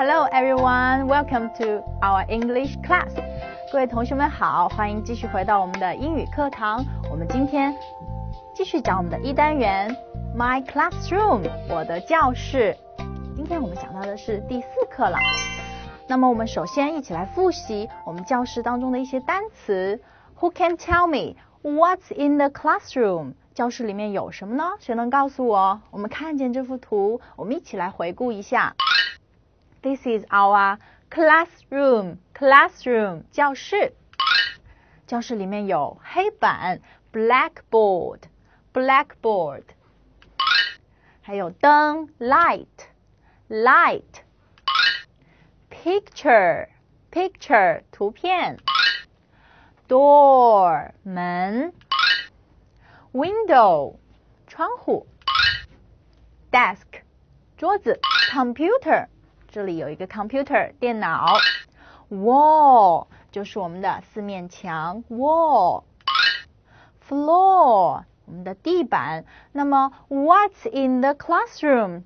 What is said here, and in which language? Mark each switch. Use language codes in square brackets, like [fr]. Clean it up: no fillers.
[en] everyone, welcome to our English class. [zh] 各位同学们好，欢迎继续回到我们的英语课堂。我们今天继续讲我们的一单元 [en] My classroom, [zh] 我的教室。今天我们讲到的是第四课了。那么我们首先一起来复习我们教室当中的一些单词。 [en] Who can tell me what's in the classroom? [zh] 教室里面有什么呢？谁能告诉我？我们看见这幅图，我们一起来回顾一下。 [en] This is our classroom, classroom, [zh] 教室。教室里面有黑板 blackboard, blackboard, 还有灯 light, light, picture, picture, 图片 door, 门Window, 窗户 Desk, 桌子 Computer, 这里有一个 computer, 电脑 Wall, 就是我们的四面墙 Wall Floor, 我们的地板那么 [en] What's in the classroom?